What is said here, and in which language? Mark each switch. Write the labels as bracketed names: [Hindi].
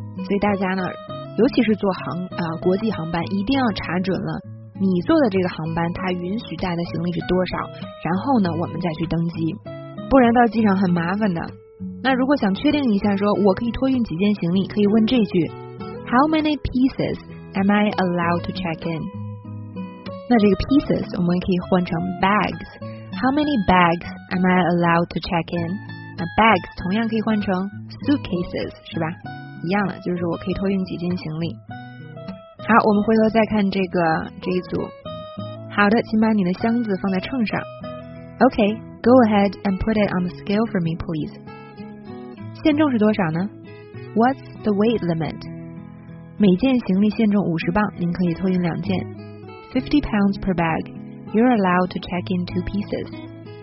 [Chinese] 所以大家呢尤其是坐国际航班，一定要查准了你坐的这个航班它允许带的行李是多少，然后呢我们再去登机，不然到机场很麻烦的。那如果想确定一下说我可以托运几件行李，可以问这句 [English] How many pieces am I allowed to check in？ [Chinese] 那这个 pieces 我们可以换成 bags。 [English] How many bags am I allowed to check in? [Chinese] Bags 同样可以换成 suitcases 是吧，一样的就是我可以托运几件行李。好，我们回头再看这一组。好的，请把你的箱子放在秤上。 [English] OK, go ahead and put it on the scale for me please. [Chinese] 限重是多少呢？ [English] What's the weight limit? [Chinese] 每件行李限重50磅，您可以托运两件。 [English] 50 pounds per bag,You're allowed to check in two pieces.